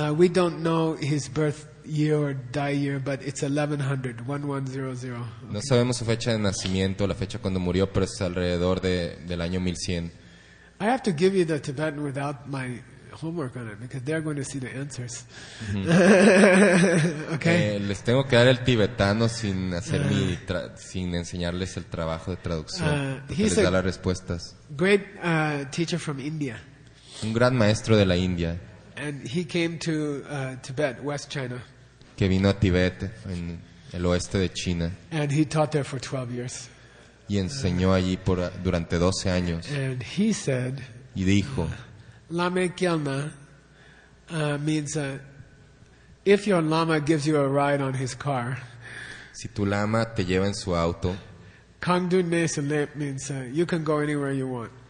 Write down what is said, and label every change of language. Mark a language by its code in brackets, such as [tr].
[en] We don't know his birth year or die year, but it's 1100. [es] Okay. No sabemos su fecha de nacimiento, la fecha cuando murió, pero es alrededor del año 1100. [en] I have to give you the Tibetan without my homework on it because they're going to see the answers. Okay. [es] Les tengo que dar el tibetano sin hacer sin enseñarles el trabajo de traducción. Les da las respuestas. [en] Great teacher from India. [es] Un gran maestro de la India. [en] And he came to Tibet, West China. [es] Que vino a Tibet, en el oeste de China. [en] And he taught there for 12 years. [es] Y enseñó allí durante 12 años. [en] And he said. [es] Y dijo. [bo] Lama Gyalna [en] means if your lama gives you a ride on his car. [es] Si tu lama te lleva en su auto. [bo] Kangdu Nesalep [en] means you can go anywhere you want.